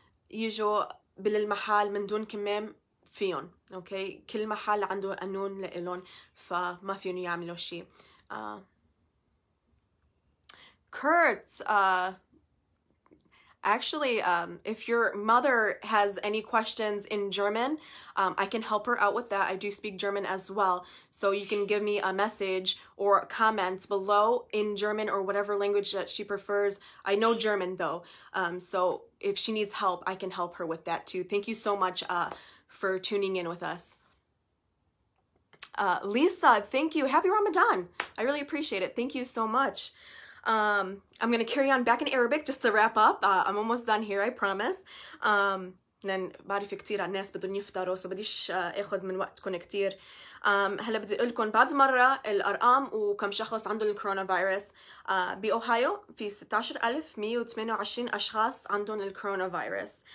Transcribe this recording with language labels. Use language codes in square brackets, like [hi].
[ar] يجوا بالمحل من دون كمام فيهم اوكي كل محل عنده قانون لإلهم فما فيهم يعملوا شيء [en] Kurt, actually, if your mother has any questions in German, I can help her out with that. I do speak German as well. So you can give me a message or comments below in German or whatever language that she prefers. I know German though. So if she needs help, I can help her with that too. Thank you so much for tuning in with us. Lisa, thank you. Happy Ramadan. I really appreciate it. Thank you so much. I'm going to carry on back in Arabic just to wrap up. I'm almost done here, I promise. [ar] لان بعرف كثير على الناس بدهم يفطروا سو بديش اخذ من وقتكم كثير هلا بدي اقول لكم بعد مره الارقام وكم شخص عنده الكورونا فيروس باوهايو في 16128 اشخاص عندهم الكورونا فيروس